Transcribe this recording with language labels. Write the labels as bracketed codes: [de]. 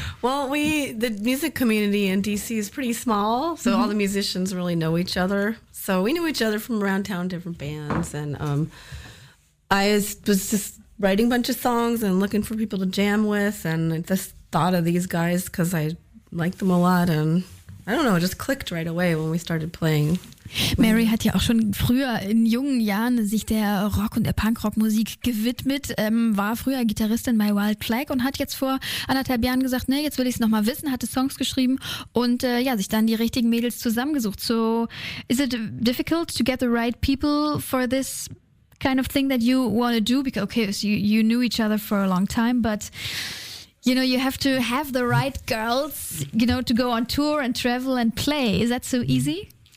[en] Well, the music community in DC is pretty small, so mm-hmm. all the musicians really know each other. So we knew each other from around town, different bands, and I was just writing a bunch of songs and looking for people to jam with, and just thought of these guys because I liked them a lot, and I don't know, it just clicked right away when we started playing. [de] Mary hat ja auch schon früher in jungen Jahren sich der Rock- und der Punkrock-Musik gewidmet, war früher Gitarristin bei Wild Flag und hat jetzt vor anderthalb Jahren gesagt, nee, jetzt will ich es nochmal wissen, hatte Songs geschrieben und sich dann die richtigen Mädels zusammengesucht. [en] So, is it difficult to get the right people for this kind of thing that you want to do? Because, okay, so you knew each other for a long time, but... You know, you have to have the right girls, you know, to go on tour and travel and play. Is that so easy?